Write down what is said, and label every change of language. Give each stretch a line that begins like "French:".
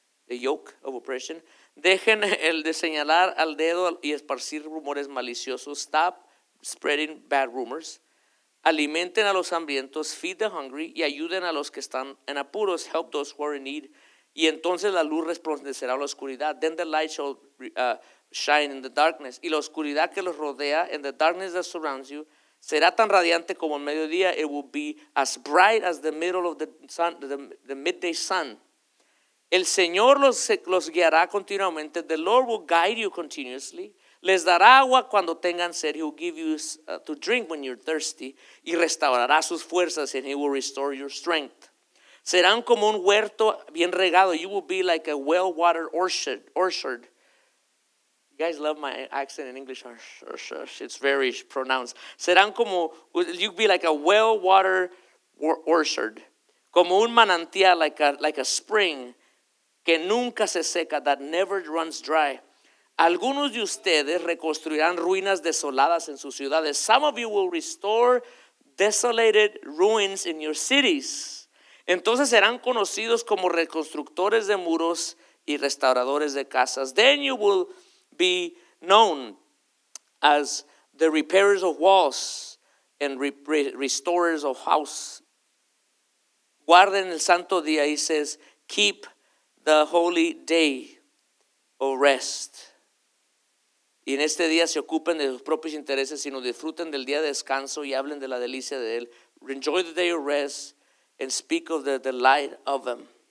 English: A yoke of oppression.
Spanish: Dejen el de señalar al dedo y esparcir rumores maliciosos.
English: Stop spreading bad rumors.
Spanish: Alimenten a los hambrientos,
English: feed the hungry,
Spanish: y ayuden a los que están en apuros,
English: help those who are in need.
Spanish: Y entonces la luz resplandecerá a la oscuridad.
English: Then the light shall shine in the darkness.
Spanish: Y la oscuridad que los rodea,
English: and the darkness that surrounds you,
Spanish: será tan radiante como el mediodía.
English: It will be as bright as the middle of the sun, the midday sun.
Spanish: El Señor los guiará continuamente.
English: The Lord will guide you continuously.
Spanish: Les dará agua cuando tengan sed.
English: He will give you to drink when you're thirsty.
Spanish: Y restaurará sus fuerzas.
English: And He will restore your strength.
Spanish: Serán como un huerto bien regado.
English: You will be like a well-watered orchard. You guys love my accent in English. It's very pronounced.
Spanish: Serán como,
English: you'll be like a well-watered orchard.
Spanish: Como un manantial,
English: like a spring,
Spanish: que nunca se seca,
English: that never runs dry.
Spanish: Algunos de ustedes reconstruirán ruinas desoladas en sus ciudades.
English: Some of you will restore desolated ruins in your cities.
Spanish: Entonces serán conocidos como reconstructores de muros y restauradores de casas.
English: Then you will be known as the repairers of walls and restorers of houses.
Spanish: Guarden el santo día,
English: he says, keep the holy day of rest.
Spanish: Y en este día se ocupen de sus propios intereses, sino disfruten del día de descanso y hablen de la delicia de él.
English: Enjoy the day of rest and speak of the delight of them.